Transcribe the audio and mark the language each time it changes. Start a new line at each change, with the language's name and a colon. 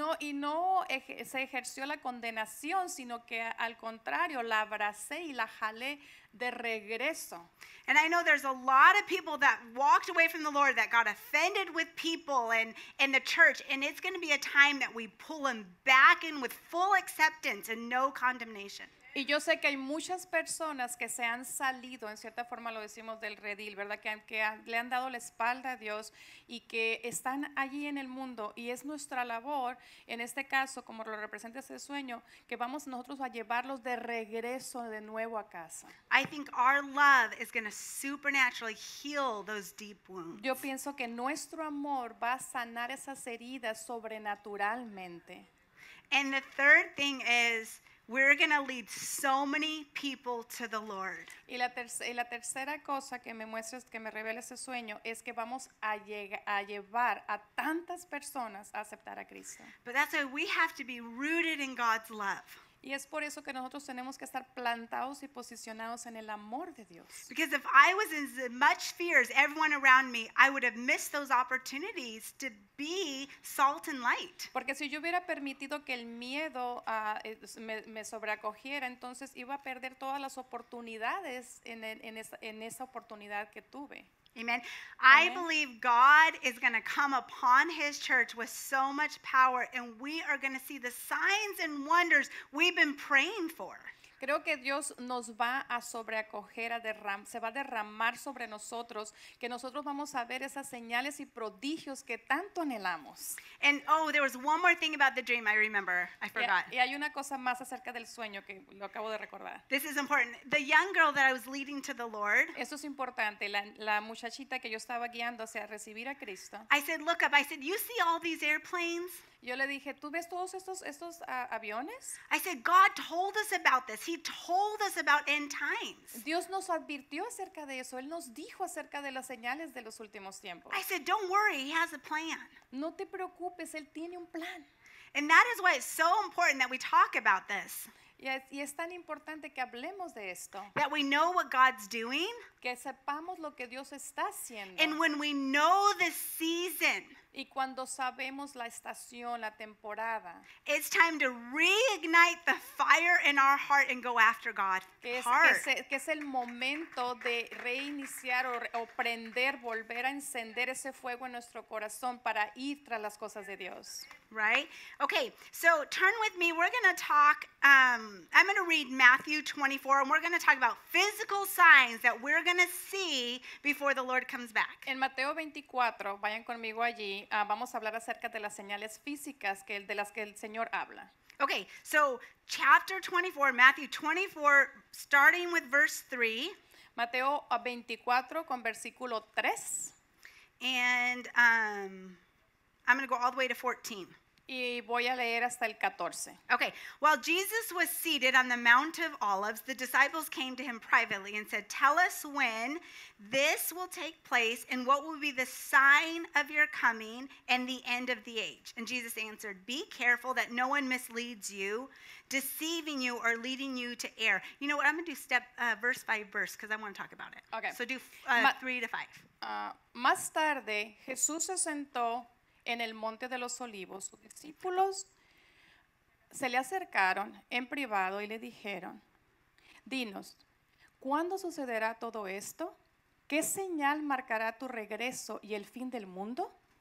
Spanish: Y no se ejerció la condenación, sino que al contrario, la abracé y la jalé de regreso.
English: And I know there's a lot of people that walked away from the Lord that got offended with people and the church, and it's going to be a time that we pull them back in with full acceptance and no condemnation.
Spanish: Y yo sé que hay muchas personas que se han salido, en cierta forma lo decimos, del redil, ¿verdad? Que le han dado la espalda a Dios y que están allí en el mundo. Y es nuestra labor, en este caso, como lo representa ese sueño, que vamos nosotros a llevarlos de regreso de nuevo a casa.
English: I think our love is going to supernaturally heal those deep wounds.
Spanish: Yo pienso que nuestro amor va a sanar esas heridas sobrenaturalmente.
English: And the third thing is, we're going to lead so many people to the Lord.
Spanish: Y la tercera cosa que me muestra, que me revela ese sueño, es que vamos a llevar a tantas personas a aceptar a Cristo.
English: But that's why we have to be rooted in God's love.
Spanish: Y es por eso que nosotros tenemos que estar plantados y posicionados en el amor de Dios.
English: Because if I was in as much fear as everyone around me, I would have missed those opportunities to be salt and light.
Spanish: Porque si yo hubiera permitido que el miedo me sobreacogiera, entonces iba a perder todas las oportunidades en esa oportunidad que tuve.
English: Amen. I believe God is going to come upon his church with so much power, and we are going to see the signs and wonders we've been praying for.
Spanish: Creo que Dios nos va a sobreacoger, se va a derramar sobre nosotros, que nosotros vamos a ver esas señales y prodigios que tanto anhelamos.
English: And oh, there was one more thing about the dream I remember. I forgot.
Spanish: Y hay una cosa más acerca del sueño que lo acabo de recordar.
English: This is important. The young girl that I was leading to the Lord.
Spanish: Esto es importante. La muchachita que yo estaba guiando hacia recibir a Cristo.
English: I said, look up. I said, you see all these airplanes?
Spanish: Yo le dije, ¿tú ves todos estos aviones?
English: I said, God told us about this. He told us about end times.
Spanish: Dios nos advirtió acerca de eso. Él nos dijo acerca de las señales de los últimos tiempos.
English: I said, don't worry, he has a plan.
Spanish: No te preocupes, él tiene un plan.
English: And that is why it's so important that we talk about this.
Spanish: Y es tan importante que hablemos de esto.
English: That we know what God's doing.
Spanish: Que sepamos lo que Dios está haciendo.
English: And when we know the season.
Spanish: Y cuando sabemos la estación, la temporada.
English: It's time to reignite the fire in our heart and go after God.
Spanish: Que es el momento de reiniciar o prender, volver a encender ese fuego en nuestro corazón para ir tras las cosas de Dios.
English: Right? Okay, so turn with me. We're going to talk, I'm going to read Matthew 24, and we're going to talk about physical signs that we're going to see before the Lord comes back.
Spanish: En Mateo 24, vayan conmigo allí, vamos a hablar acerca de las señales físicas de las que el Señor habla.
English: Okay, so chapter 24, Matthew 24, starting with verse 3.
Spanish: Mateo 24, con versículo 3.
English: And I'm going to go all the way to 14.
Spanish: Y voy a leer hasta el 14.
English: Okay. While Jesus was seated on the Mount of Olives, the disciples came to him privately and said, "Tell us when this will take place and what will be the sign of your coming and the end of the age." And Jesus answered, "Be careful that no one misleads you, deceiving you or leading you to error." You know what? I'm going to do verse by verse because I want to talk about it. Okay. So do 3 to 5.
Spanish: Más tarde, Jesús se sentó en el monte de los olivos. Sus discípulos se le acercaron en privado y le dijeron, "Dinos, ¿cuándo sucederá todo esto? ¿Qué señal marcará tu regreso y el fin del mundo?"